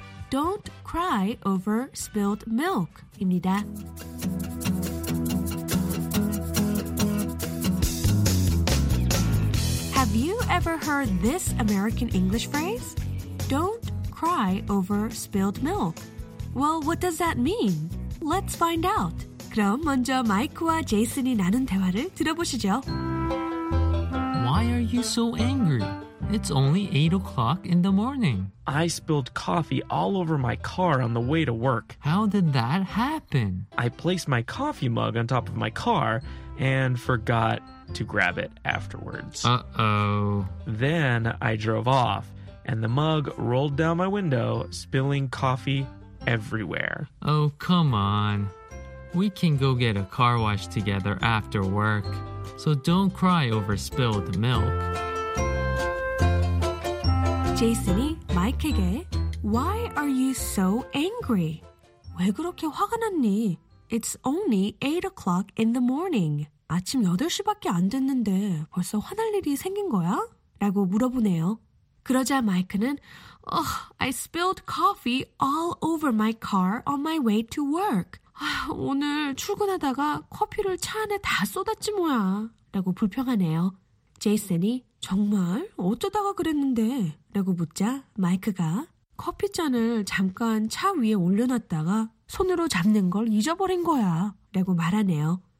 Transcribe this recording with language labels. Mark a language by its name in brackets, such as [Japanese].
[English] Don't cry over spilled milk [Korean] 입니다. [English] 've you ever heard this American English phrase? Don't cry over spilled milk. Well, what does that mean? Let's find out. [Korean] 그럼 먼저 마이크와 제이슨이 나눈 대화를 들어보시죠. [English] Why are you so angry? It's only 8 o'clock in the morning. I spilled coffee all over my car on the way to work. How did that happen? I placed my coffee mug on top of my car and forgot to grab it afterwards. Uh-oh. Then I drove off, and the mug rolled down my window, spilling coffee everywhere. Oh, come on. We can go get a car wash together after work. So don't cry over spilled milk. Jason이 [Korean] 마이크에게, [English] Why are you so angry? [Korean] 왜 그렇게 화가 났니? [English] It's only 8 o'clock in the morning. [Korean] 아침 8시밖에 안 됐는데 벌써 화날 일이 생긴 거야? 라고 물어보네요. 그러자 마이크는 [English] Oh, I spilled coffee all over my car on my way to work. [Korean] 아, 오늘 출근하다가 커피를 차 안에 다 쏟았지 뭐야. 라고 불평하네요. 제이슨이 정말 어쩌다가 그랬는데? 라고 묻자 마이크가 커피잔을 잠깐 차 위에 올려놨다가 손으로 잡는 걸 잊어버린 거야. 라고 말하네요.